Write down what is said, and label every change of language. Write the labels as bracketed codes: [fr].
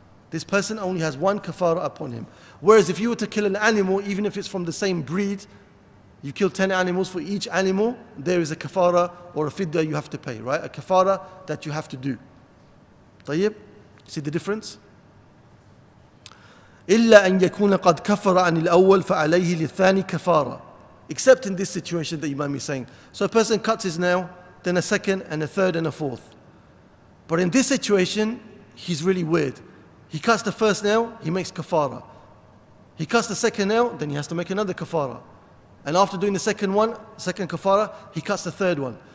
[en] This person only has one kafara upon him. Whereas if you were to kill an animal, even if it's from the same breed, you kill 10 animals for each animal, there is a kafara or a fidda you have to pay, right? A kafara that you have to do. Tayyib, see the difference? [ar] إِلَّا أَنْ يَكُونَ قَدْ كَفَرَ عَنِ الْأَوَّلِ فَعَلَيْهِ لِلثَّانِ كَفَارًا [en] Except in this situation that Imam is saying. So a person cuts his nail, then a second, and a third, and a fourth. But in this situation, he's really weird. He cuts the first nail, he makes kafara. He cuts the second nail, then he has to make another kafara. And after doing the second one, second kafara, he cuts the third one.